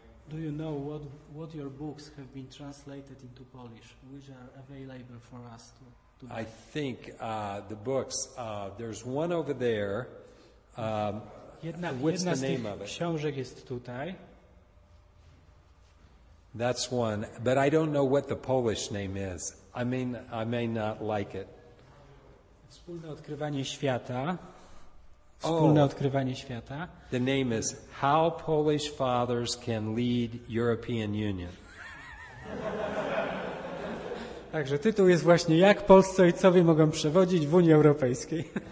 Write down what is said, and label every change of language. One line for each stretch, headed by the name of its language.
English: Do you know what your books have been translated into Polish, which are available for us to buy? I think the books, there's one over there. What's the name of it?
Polish: Książek jest tutaj.
English: That's one, but I don't know what the Polish name is. I mean, I may not like it.
Polish: Wspólne odkrywanie świata. Wspólne odkrywanie świata.
English: The name is How Polish Fathers Can Lead European Union.
Polish: Także tytuł jest właśnie Jak polscy ojcowie mogą przewodzić w Unii Europejskiej.